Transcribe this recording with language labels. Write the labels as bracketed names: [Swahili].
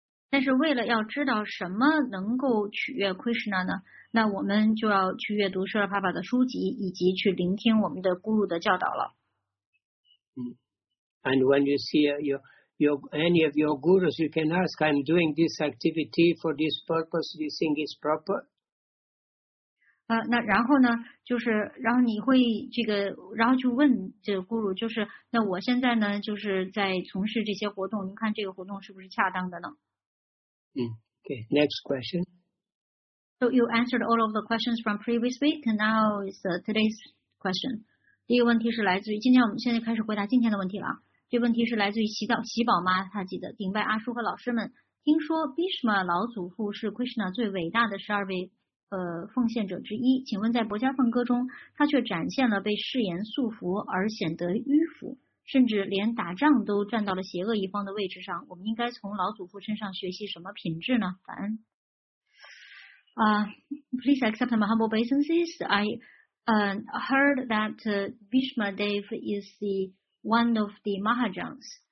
[Chinese] 但是为了要知道什么能够取悦 Krishna 呢，那我们就要去阅读 Srila Prabhupada 的书籍以及去聆听我们的 guru 的教导了。 [English] And when you see any of your gurus, you can ask, I'm doing this activity for this purpose, do you think it's proper? [Chinese] 那然后呢，就是然后你会这个，然后去问这个 guru， 就是那我现在呢，就是在从事这些活动，您看这个活动是不是恰当的呢？ [English] Okay, next question. So you answered all of the questions from previous week, and now is today's question. [Chinese] 第一个问题是来自于今天，我们现在开始回答今天的问题了。这问题是来自于喜宝妈，她记得顶拜阿叔和老师们，听说 Bhishma 老祖父是 Krishna 最伟大的十二位。奉献者之一，请问在薄伽梵歌中，他却展现了被誓言束缚而显得迂腐，甚至连打仗都站到了邪恶一方的位置上。我们应该从老祖父身上学习什么品质呢？凡啊、， [English] Please accept my humble obeisances. I heard that Bhishma Dev is the one of the Mahajans.